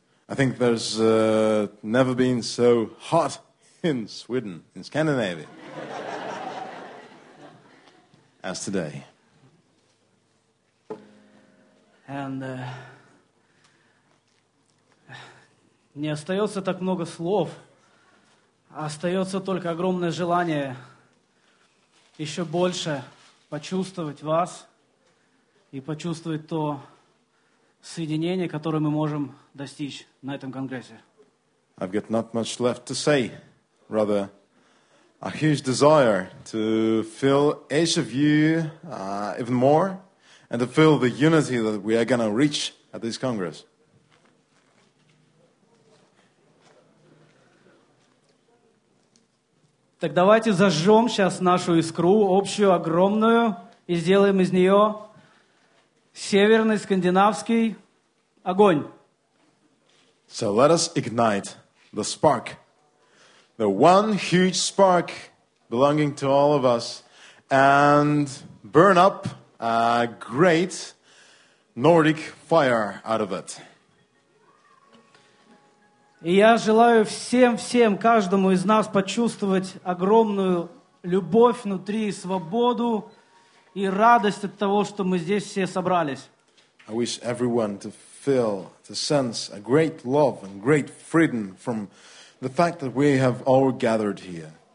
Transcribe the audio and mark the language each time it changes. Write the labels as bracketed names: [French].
[English] I think there's never been so hot in Sweden, in Scandinavia, as today. [Russian] And не остается так много слов, а остается только огромное желание еще больше почувствовать вас и почувствовать то соединение, которое мы можем достичь на этом конгрессе. [English] I've got not much left to say, rather a huge desire to feel each of you even more and to feel the unity that we are going to reach at this congress. [Russian] Так давайте зажжем сейчас нашу искру, общую, огромную, и сделаем из нее северный скандинавский огонь. [English] So let us ignite the spark, the one huge spark belonging to all of us, and burn up a great Nordic fire out of it. [Russian] И я желаю всем, каждому из нас почувствовать огромную любовь внутри, свободу и радость от того, что мы здесь все собрались. [English] I wish everyone to feel, to sense a great love and great freedom from the fact that we have all gathered here.